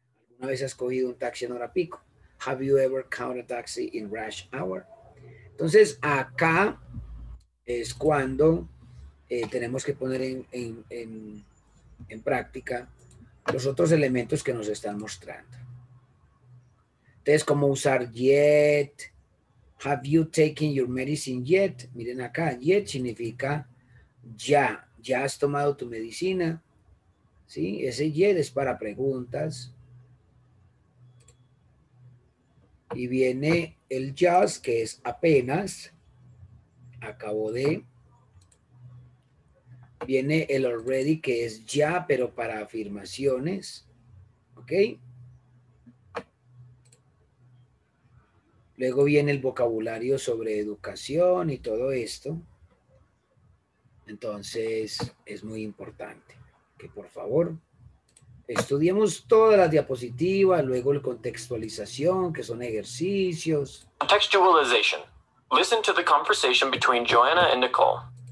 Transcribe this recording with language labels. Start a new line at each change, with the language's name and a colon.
Spanish: ¿Alguna vez has cogido un taxi en hora pico?
English: Have you ever caught a taxi in rush hour?
Spanish: Entonces, acá es cuando tenemos que poner en práctica los otros elementos que nos están mostrando. Entonces, ¿cómo usar yet?
English: Have you taken your medicine yet?
Spanish: Miren acá, yet significa ya. ¿Ya has tomado tu medicina? ¿Sí? Ese yet es para preguntas. Y viene el just, que es apenas. Acabo de. Viene el already, que es ya, pero para afirmaciones. ¿Ok? Luego viene el vocabulario sobre educación y todo esto. Entonces, es muy importante que, por favor, estudiemos todas las diapositivas, luego la contextualización, que son ejercicios.
English: Contextualization. Listen to the conversation between Joanna and Nicole.